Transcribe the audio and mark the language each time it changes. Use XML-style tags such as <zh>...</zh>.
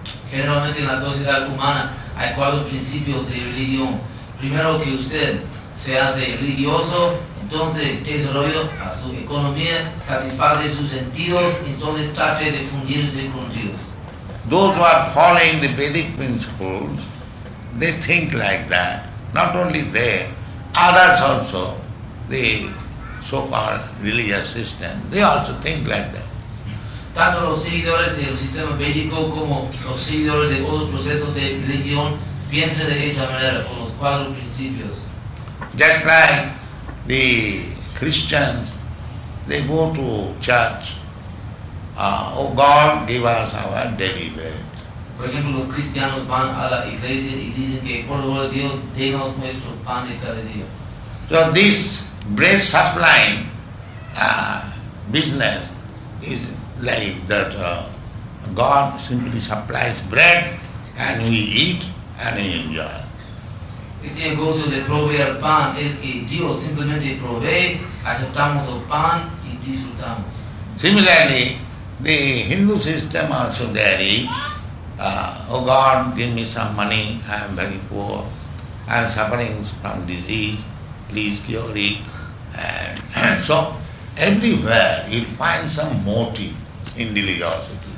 <es>Generalmente, en la sociedad humana hay cuatro principios de religión. Primero, que usted se hace religioso. Entonces, desarrollo a su economía, satisface sus sentidos, entonces trate de fundirse con Dios.</es> <en>Those who are following the Vedic principles, they think like that. Not only they, others also, the so-called religious system, they also think like that.</en> <es>Tanto los seguidores del sistema védico como los seguidores de otros procesos de religión piensan de esa manera, con los cuatro principios.</es> <en>Just like the Christians, they go to church, oh God, give us our daily bread.</en> <es>Por ejemplo, los cristianos van a la iglesia y dicen que por favor Dios, denos nuestro pan de cada día.</es> <en>So this bread supply business is like that God simply supplies bread and we eat and we enjoy.</en> <es>Este negocio de proveer pan es que Dios simplemente provee, aceptamos el pan y disfrutamos.</es> <en>Similarly, the Hindu system also there is, oh God, give me some money, I am very poor, I am suffering from disease, please cure it. And so, everywhere you find some motive in religiosity.</en>